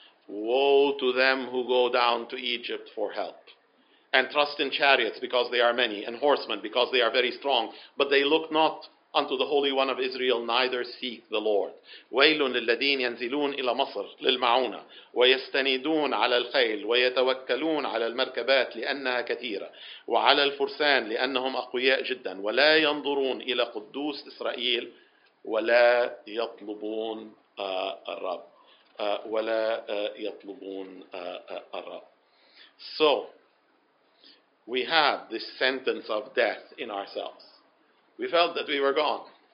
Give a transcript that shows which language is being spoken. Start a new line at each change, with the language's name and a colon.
English: Woe to them who go down to Egypt for help and trust in chariots because they are many, and horsemen because they are very strong, but they look not unto the Holy One of Israel, neither seek the Lord.
Arabic: ويل للذين ينزلون إلى مصر للمعونة ويستندون على الخيل ويتوكلون على المركبات لأنها كثيرة وعلى الفرسان لأنهم أقوياء جدا ولا ينظرون إلى قدوس إسرائيل ولا يطلبون الرب ولا يطلبون الرب.
English: So we have this sentence of death in ourselves. We felt that we were gone.